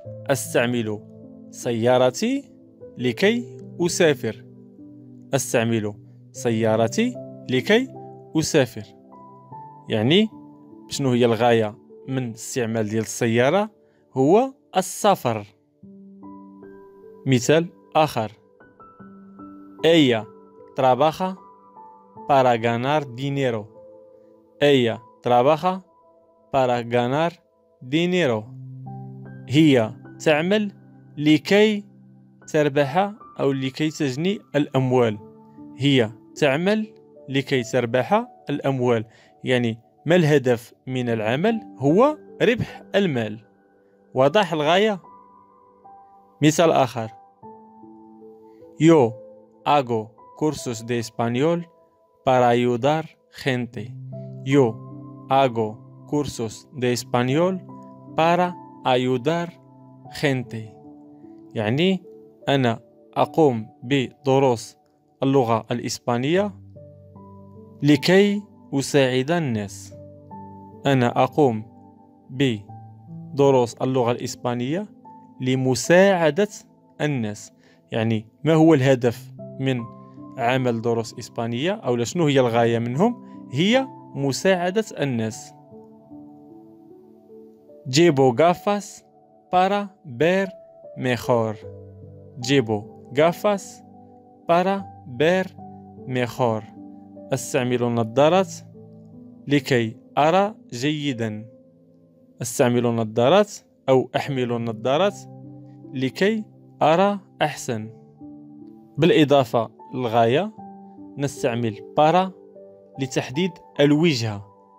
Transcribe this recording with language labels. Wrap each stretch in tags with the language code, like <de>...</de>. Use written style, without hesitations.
<ar>استعمل سيارتي لكي اسافر. استعمل سيارتي لكي اسافر. يعني شنو هي الغايه من استعمال ديال السياره؟ هو السفر. مثال اخر،</ar> <es>ella trabaja para ganar dinero. ella trabaja para ganar dinero.</es> <ar>هي تعمل لكي تربح أو لكي تجني الأموال. هي تعمل لكي تربح الأموال، يعني ما الهدف من العمل؟ هو ربح المال. واضح الغاية؟ مثال آخر:</ar> <es>يو أغو كورسوس دي إسبانيول para ayudar gente. Yo hago cursos de español para ayudar gente.</es> <ar>يعني أنا أقوم بدروس اللغة الإسبانية لكي أساعد الناس. أنا أقوم بدروس اللغة الإسبانية لمساعدة الناس. يعني ما هو الهدف من عمل دروس إسبانية أو لشنو هي الغاية منهم؟ هي مساعدة الناس.</ar> <es>جيبو غافاس para ver mejor. جيبو غافاس para ver mejor.</es> <ar>استعملوا النظارات لكي أرى جيدا. استعملوا النظارات أو أحملوا النظارات لكي أرى أحسن. بالإضافة الغاية نستعمل بارا لتحديد الوجهة.</ar>